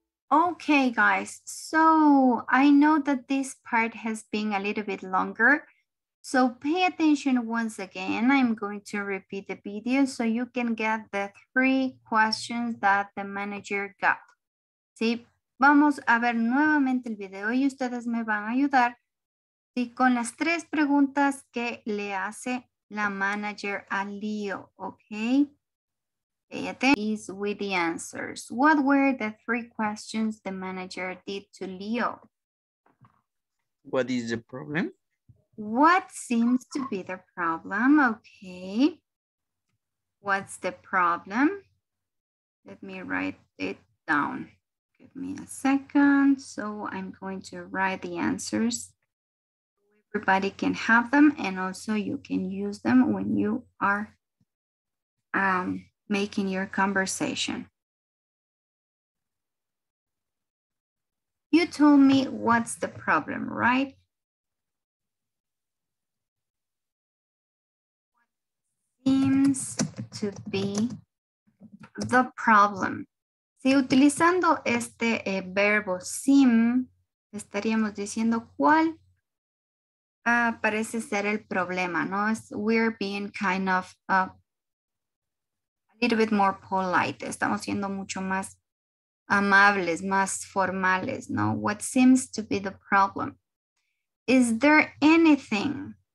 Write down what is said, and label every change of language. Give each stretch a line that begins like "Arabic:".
English: Okay, guys, so I know that this part has been a little bit longer. So pay attention once again. I'm going to repeat the video so you can get the three questions that the manager got.
Spanish: ¿Sí? Vamos a ver nuevamente el video y ustedes me van a ayudar y con las tres preguntas que le hace la manager a Leo, okay?
English: Pay attention is with the answers. What were the three questions the manager did to Leo? What is the problem? What seems to be the problem? Okay. What's the problem? Let me write it down. Give me a second. So I'm going to write the answers. Everybody can have them, and also you can use them when you are making your conversation. You told me what's the problem, right? Seems to be the problem.
Spanish: Si utilizando este verbo seem, estaríamos diciendo cuál parece ser el problema, ¿no?
English: We're being kind of a little bit more polite.
Spanish: Estamos siendo mucho más amables, más formales, ¿no?
English: What seems to be the problem? Is there anything?